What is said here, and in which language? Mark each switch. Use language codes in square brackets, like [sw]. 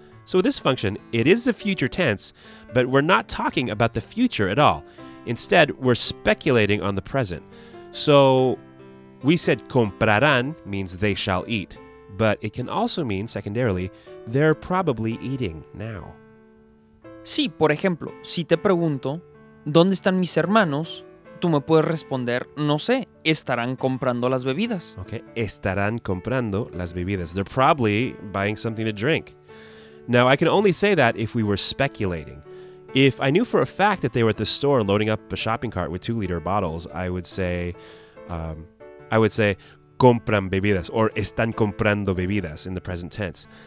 [en] So this function, it is the future tense, but we're not talking about the future at all. Instead, we're speculating on the present. So, we said comprarán means they shall eat, but it can also mean, secondarily, they're probably eating now. [es] Sí, por ejemplo, si te pregunto, ¿dónde están mis hermanos? Tú me puedes responder, no sé, estarán comprando las bebidas. [en] Okay, [es] estarán comprando las bebidas. [en] They're probably buying something to drink. Now, I can only say that if we were speculating. If I knew for a fact that they were at the store loading up a shopping cart with 2-liter bottles, I would say, [es] compran bebidas [en] or [es] están comprando bebidas [en] in the present tense.